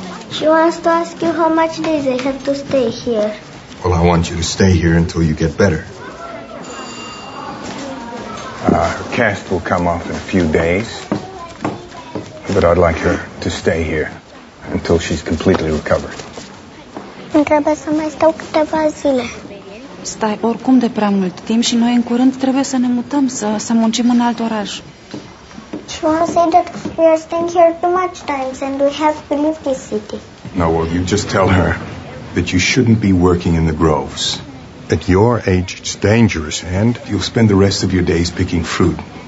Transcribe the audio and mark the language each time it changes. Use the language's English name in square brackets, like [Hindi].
[English] "She wants to ask you how much days I have to stay here." "Well, I want you to stay here until you get better." "Her cast will come off in a few days. But I'd like her to stay here until she's completely recovered." [Romanian] "Trebuie să mai stau câteva zile." "Stai oricum de prea mult timp și noi în curând trebuie să ne mutăm, să muncim în alt oraș." [English] "She won't say that we are staying here too much times and we have to leave this city." "No, well, you just tell her that you shouldn't be working in the groves. At your age, it's dangerous, and you'll spend the rest of your days picking fruit.